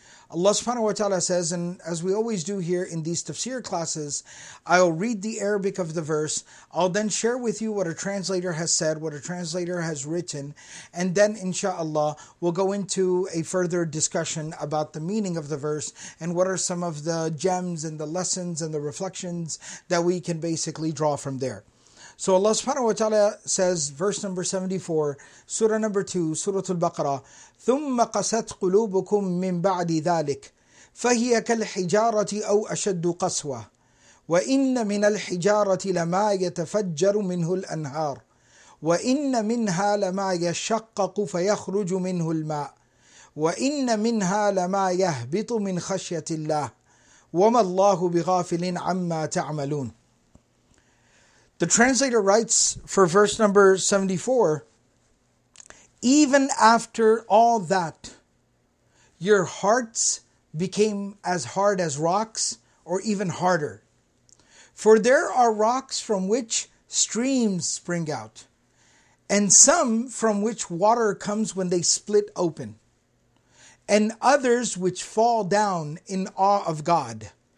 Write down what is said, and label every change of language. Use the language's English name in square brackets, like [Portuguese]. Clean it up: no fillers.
[English] Allah subhanahu wa ta'ala says, and as we always do here in these tafsir classes, I'll read the Arabic of the verse, I'll then share with you what a translator has said, what a translator has written, and then inshallah we'll go into a further discussion about the meaning of the verse and what are some of the gems and the lessons and the reflections that we can basically draw from there. So Allah subhanahu wa ta'ala says, verse number 74, surah number 2, surah al-Baqarah, [Arabic] ثُمَّ قَسَتْ قُلُوبُكُمْ مِنْ بَعْدِ ذَلِكَ فَهِيَ كَالْحِجَارَةِ أَوْ أَشَدُّ قَسْوَةً وَإِنَّ مِنَ الْحِجَارَةِ لَمَا يَتَفَجَّرُ مِنْهُ الْأَنْهَارُ وَإِنَّ مِنْهَا لَمَا يَشَّقَّقُ فَيَخْرُجُ مِنْهُ الْمَاءُ وَإِنَّ مِنْهَا لَمَا يَهْبِطُ مِنْ خَشْيَةِ اللَّهِ وَمَا اللَّهُ بِغَافِلٍ عَمَّا تَعْمَلُونَ. [English] The translator writes for verse number 74, even after all that, your hearts became as hard as rocks, or even harder. For there are rocks from which streams spring out, and some from which water comes when they split open, and others which fall down in awe of God.